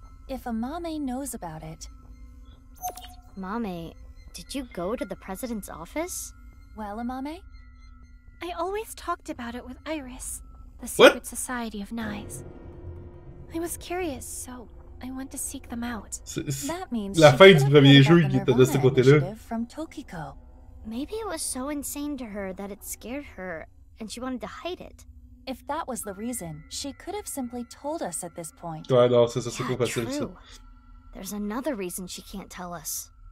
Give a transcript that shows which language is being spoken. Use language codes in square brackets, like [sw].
[en] If Amame knows about it... Mame, did you go to the president's office? Well, Amame? I always talked about it with Iris, the secret society of Nye's. I was curious, so I want to seek them out. That means [fr] la fin du premier jeu qui était de ce côté-là. [en] From Tokiko. Maybe it was so insane to her that it scared her and she wanted to hide it. If that was the reason, she could have simply told us at this point. [fr] Ouais, non, c'est trop facile, ça. [en] There's another reason she can't tell us.